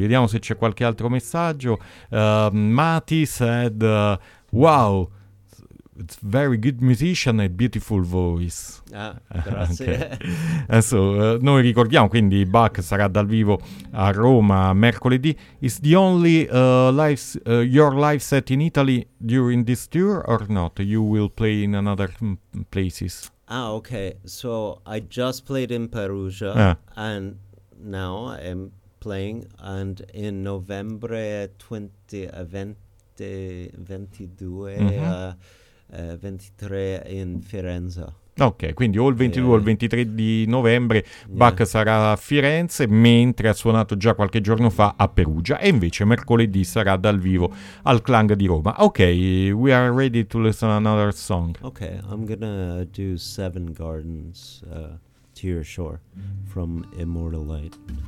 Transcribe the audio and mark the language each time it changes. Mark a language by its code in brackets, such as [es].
[it] Vediamo se c'è qualche altro messaggio. [en] Mati said wow. It's very good musician and beautiful voice. [it] Ah, grazie. Okay. So, noi ricordiamo, quindi Bach sarà dal vivo a Roma mercoledì. [en] Is the only your live set in Italy during this tour or not? You will play in another places. Ah, okay. So I just played in Perugia and now I'm playing, and in November 23 in Firenze. [it] Ok, quindi o il 22 o il 23 di novembre Bach sarà a Firenze, mentre ha suonato già qualche giorno fa a Perugia, e invece mercoledì sarà dal vivo al Klang di Roma. [en] Ok, we are ready to listen another song. Ok, I'm gonna do Seven Gardens to Your Shore from Immortal Light.